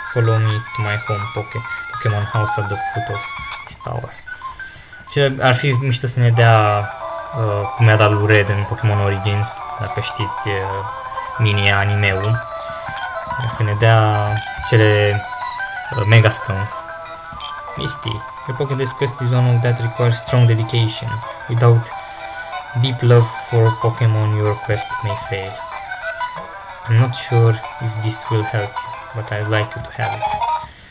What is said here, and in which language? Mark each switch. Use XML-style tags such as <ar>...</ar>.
<en>Follow me to my home Pokemon house at the foot of this tower.</en> <ro>Ce ar fi mișto să ne dea cum i-a dat lui Red în Pokemon Origins, dacă știți mini anime-ul. Să ne dea cele Mega Stones.</ro> <en>Misty, your Pokédex quest is one of that requires strong dedication. Without deep love for Pokémon, your quest may fail. I'm not sure if this will help you, but I'd like you to have it.</en>